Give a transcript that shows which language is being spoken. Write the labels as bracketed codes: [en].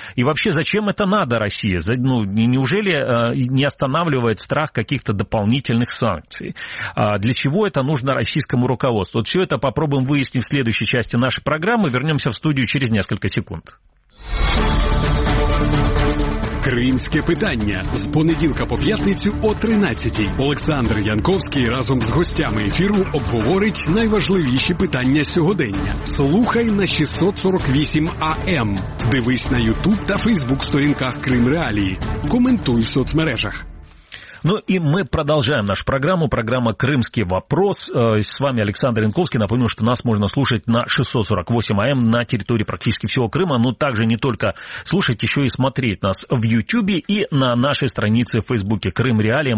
[ru] И вообще, зачем это надо России? Неужели не останавливает страх каких-то дополнительных санкций? Для чего это нужно российскому руководству? Вот все это попробуем выяснить в следующей части нашей программы. Вернемся в студию через несколько секунд. [uk] Кримське питання з понеділка по п'ятницю о 13:00. Олександр Янковський разом з гостями ефіру обговорить найважливіші питання сьогодення. Слухай на 648 АМ. Дивись на YouTube та Facebook сторінках Крим Реалії. Коментуй в соцмережах. [ru] Ну и мы продолжаем нашу программу. Программа «Крымский вопрос». С вами Александр Янковский. Напомню, что нас можно слушать на 648 АМ на территории практически всего Крыма, но также не только слушать, еще и смотреть нас в Ютьюбе и на нашей странице в Фейсбуке «Крым Реалия».